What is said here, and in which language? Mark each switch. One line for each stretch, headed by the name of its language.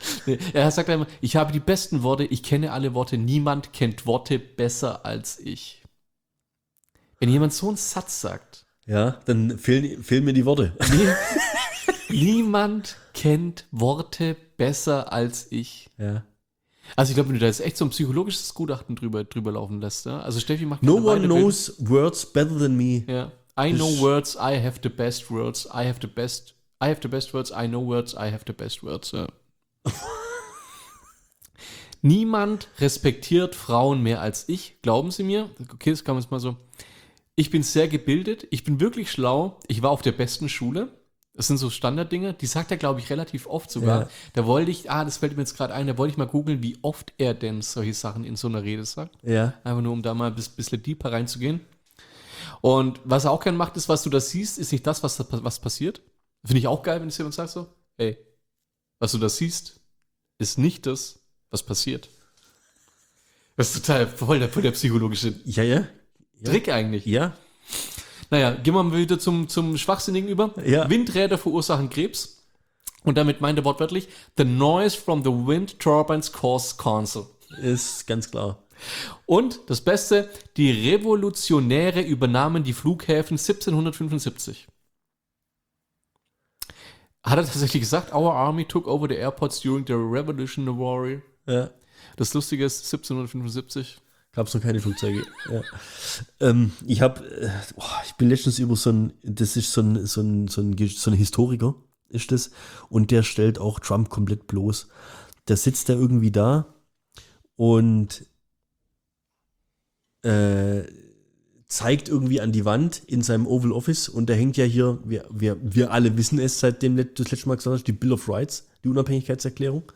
German: Nee, er sagt immer, ich habe die besten Worte, ich kenne alle Worte, niemand kennt Worte besser als ich. Wenn jemand so einen Satz sagt. Ja, dann fehlen mir die Worte. Niemand kennt Worte besser als ich. Ja. Also ich glaube, wenn du da jetzt echt so ein psychologisches Gutachten drüber laufen lässt. Ja? Also Steffi macht keine Weiterbildung.
English: No one knows words better than me. Yeah. I know words, I have the best words, I have the best, I have the best words, I know words, I have the best words.
German: Ja. Niemand respektiert Frauen mehr als ich, glauben Sie mir? Okay, das kann man jetzt mal so. Ich bin sehr gebildet, ich bin wirklich schlau, ich war auf der besten Schule. Das sind so Standarddinge, die sagt er, glaube ich, relativ oft sogar. Ja. Da wollte ich, das fällt mir jetzt gerade ein, da wollte ich mal googeln, wie oft er denn solche Sachen in so einer Rede sagt. Ja. Einfach nur, um da mal ein bisschen deeper reinzugehen. Und was er auch gern macht, ist, was du da siehst, ist nicht das, was passiert. Finde ich auch geil, wenn es jemand sagt so, ey, was du da siehst, ist nicht das, was passiert. Das ist total voll der psychologische Trick eigentlich. Ja. Naja, gehen wir mal wieder zum Schwachsinnigen über. Ja. Windräder verursachen Krebs. Und damit meint er wortwörtlich,
English: the noise from the wind turbines cause cancer.
German: Ist ganz klar. Und das Beste, die Revolutionäre übernahmen die Flughäfen 1775. Hat er tatsächlich gesagt,
English: our army took over the airports during the Revolutionary War.
German: Ja. Das Lustige ist, 1775. Gab es noch keine Flugzeuge. Ja. Ich bin letztens über so ein Historiker, ist das, und der stellt auch Trump komplett bloß. Der sitzt da irgendwie da und zeigt irgendwie an die Wand in seinem Oval Office und da hängt ja hier, wir alle wissen es, seitdem das letzte Mal gesagt hast, die Bill of Rights, die Unabhängigkeitserklärung.